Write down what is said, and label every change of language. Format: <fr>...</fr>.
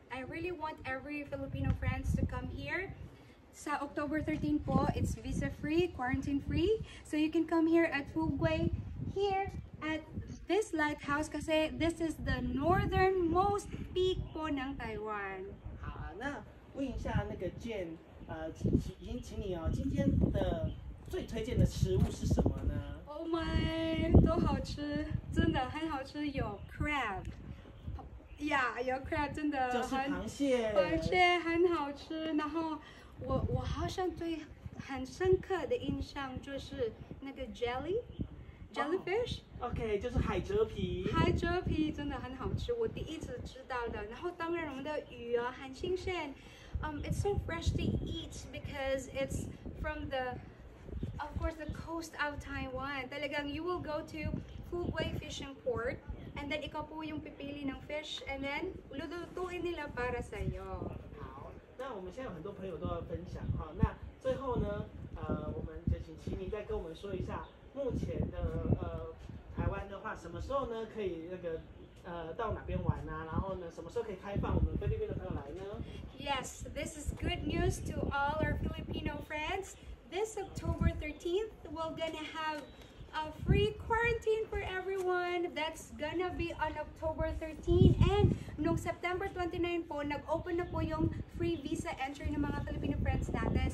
<en>I really want every Filipino friends to come here.</en> <tl>Sa October 13 po,</tl> <en>it's visa free, quarantine free. So you can come here at Kubay. Here at this lighthouse.</en> <tl>Kasi</tl> <en>this is the northernmost peak</en> <tl>po ng</tl> <en>Taiwan.</en> <zh>好，那问一下那个 Jen， 请你哦，今天的最推荐的食物是什么呢？</zh> <en>Oh my,</en> <zh>都好吃，真的很好吃。有 crab， yeah， 有 crab， 真的就是螃蟹，螃蟹很好吃。然后我好像对很深刻的印象就是那个 jellyfish。</zh> <en>Oh, OK，</en> <zh>就是海蜇皮。海蜇皮真的很好吃，我第一次知道的。然后当然我们的鱼啊很新鲜。</zh> <en>It's so fresh to eat because it's from the Of course, the coast of Taiwan.</en> <tl>Talagang</tl> <en>you will go to Fubei Fishing Port, and then</en> <tl>ikaw po yung pipili ng</tl> <en>fish, and then</en> <tl>lulutuin nila para sa iyo.</tl> <zh>好，那我们现在有很多朋友都要分享哈。那最后呢，我们就请琪妮再跟我们说一下，目前的台湾的话，什么时候呢可以那个到哪边玩啊？然后呢，什么时候可以开放我们菲律宾的朋友来呢</zh> <en>？Yes, this is good news to all our Filipino friends. This October 13th, we're gonna have a free quarantine for everyone. That's gonna be on October 13th. And</en> <tl>nung September 29 po, nag-open na po yung free visa entry ng mga Filipino friends natin.</tl>